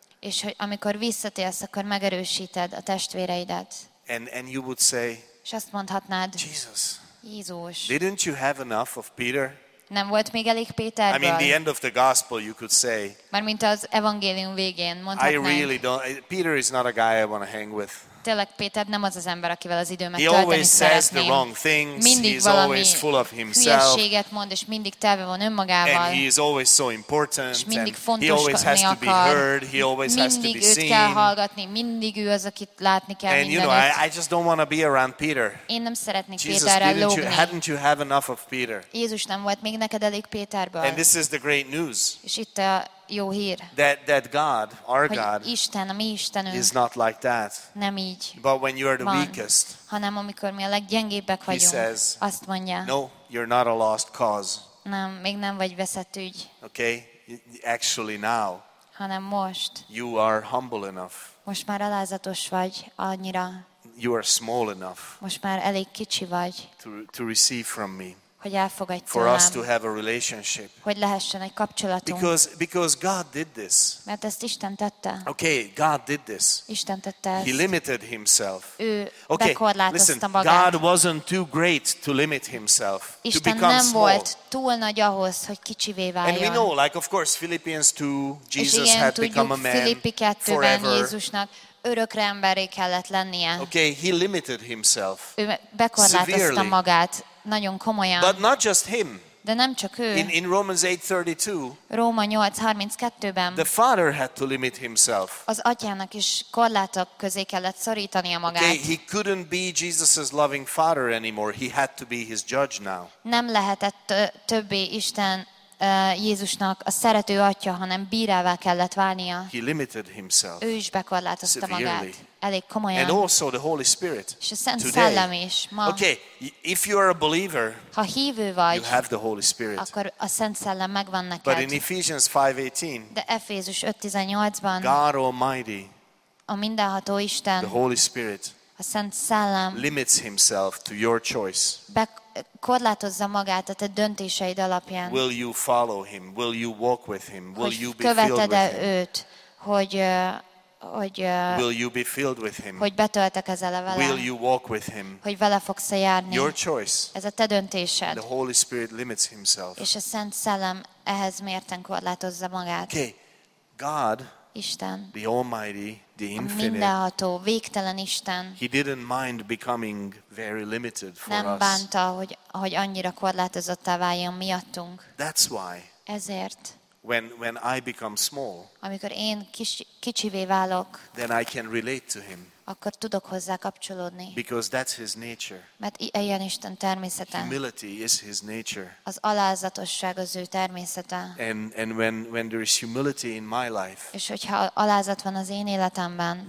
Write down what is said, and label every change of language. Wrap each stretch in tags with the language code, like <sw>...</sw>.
<hu>És hogy amikor visszatérsz, akkor megerősíted a testvéreidet.</hu> <en>And you would say,</en> <hu>és azt mondhatnád,</hu> <en>Jesus,</en> <hu>Jézus,</hu> <en>didn't you have enough of Peter?</en> <hu>Nem volt még elég Péterből.</hu> <en>I mean, the end of the gospel, you could say.</en> <hu>Már mint az evangélium végén mondhatnánk.</hu> <en>I really don't. Peter is not a guy I want to hang with.</en> <hu>Tényleg Péter nem az az ember, akivel az időmet tölteni szeretném.</hu> <en>He always says the wrong things.</en> <hu>Mindig</hu> <en>he's always full of himself.</en> <hu>Hülyeséget mond, és mindig telve van önmagával.</hu> <en>And he is always so important.</en> <hu>És mindig fontoskodni akar.</hu> <en>He always has to be heard. He always has to be seen.</en> <hu>Mindig őt kell hallgatni. Mindig ő az, akit látni kell mindenütt.</hu> <en>And you know, I just don't want to be around Peter.</en> <hu>Én nem szeretnék Péterrel lógni.</hu> <en>Jesus, hadn't you have enough of Peter?</en> <hu>Jézus, nem volt még neked elég Péterből.</hu> <en>And this is the great news.</en> <hu>És itt a jó hír.</hu> <en>That God, our</en> <hu>hogy</hu> <en>God,</en> <hu>Isten, a mi Istenünk,</hu> <en>is not like that.</en> <hu>Nem így.</hu> <en>But when you are the van, weakest,</en> <hu>hanem amikor mi a leggyengébbek vagyunk,</hu> <en>he says,</en> <hu>azt mondja,</hu> <en>no, you're not a lost cause.</en> <hu>Nem, még nem vagy veszett ügy.</hu> <en>Okay, actually now,</en> <hu>hanem most,</hu> <en>you are humble enough.</en> <hu>Most már alázatos vagy annyira.</hu> <en>You are small enough.</en> <hu>Most már elég kicsi vagy.</hu> <en>To receive from me.</en> <hu>Hogy elfogadj tőlem,</hu> <en>for us to have a relationship.</en> <hu>Hogy lehessen egy kapcsolatunk.</hu> <en>Because God did this.</en> <hu>Mert ezt Isten tette.</hu> <en>Okay, God did this.</en> <hu>Isten tette ezt.</hu> <en>He limited himself.</en> <hu>Ő</hu> <en>okay,</en> <hu>bekorlátozta</hu> <en>listen,</en> <hu>magát.</hu> <en>God wasn't too great to limit himself.</en> <hu>Isten</hu> <en>to become</en> <hu>nem</hu> <en>small.</en> <hu>Volt túl nagy ahhoz, hogy kicsivé váljon.</hu> <en>And we know, like of course, Philippians 2, Jesus</en> <hu>igen,</hu> <en>had</en> <hu>tudjuk,</hu> <en>become a man</en> <hu>Filippi 2-ben</hu> <en>forever.</en> <hu>Jézusnak örökre emberré kellett lennie.</hu> <en>Okay, he limited himself.</en> <hu>Ő bekorlátozta</hu> <en>severely.</en> <hu>Magát. Nagyon komolyan.</hu> <en>But not just him.</en> <hu>De nem csak ő.</hu> <en>In Romans 8:32.</en> <hu>Róma 8:32-ben.</hu> <en>The Father had to limit himself.</en> <hu>Az Atyának is korlátok közé kellett szorítania magát.</hu> <en>Okay, he couldn't be Jesus's loving father anymore. He had to be his judge now.</en> <hu>Nem lehetett többé Isten Jézusnak a szerető Atya, hanem bírává kellett válnia.</hu> <en>He limited himself.</en> <hu>Ő is bekorlátozta</hu> <en>severely.</en> <hu>Magát. Elég komolyan.</hu> <en>And also the Holy Spirit.</en> <hu>És a Szent Szellem is ma.</hu> <en>Okay, if you are a believer,</en> <hu>ha hívő vagy,</hu> <en>you have the Holy Spirit.</en> <hu>Akkor a Szent Szellem megvan neked.</hu> <en>But in Ephesians 5:18,</en> <hu>de Efézus 5:18-ban,</hu> <en>God Almighty,</en> <hu>a mindenható Isten,</hu> <en>the Holy Spirit,</en> <hu>a Szent Szellem,</hu> <en>limits himself to your choice.</en> <hu>Korlátozza magát a te döntéseid alapján.</hu> <en>Will you follow him? Will you walk with him? Will you be filled with him?</en> <hu>Követed-e őt, hogy hogy</hu> <en>will you be filled with him?</en> <hu>Hogy betöltek ezzel a vele?</hu> <en>Will you walk with him?</en> <hu>Hogy vele fogsz járni?</hu> <en>Your choice.</en> <hu>Ez a te döntésed.</hu> <en>The Holy Spirit limits himself.</en> <hu>És a Szent Szellem ehhez mérten korlátozza magát.</hu> <en>Okay. God,</en> <hu>Isten,</hu> <en>the Almighty, the Infinite,</en> <hu>mindenható, végtelen Isten,</hu> <en>he didn't mind becoming very limited for</en> <hu>nem</hu> <en>us.</en> <hu>Nem bánta, hogy annyira korlátozottá váljon miattunk.</hu> <en>That's why.</en> <hu>Ezért.</hu> <en>When I become small,</en> <hu>amikor én kicsivé válok,</hu> <en>then I can relate to him.</en> <hu>Akkor tudok hozzá kapcsolódni.</hu> <en>Because that's his nature.</en> <hu>Mert ilyen Isten természete.</hu> <en>Humility is his nature.</en> <hu>Az alázatosság az ő természete.</hu> <en>And when there is humility in my life,</en> <hu>és hogyha alázat van az én életemben,</hu>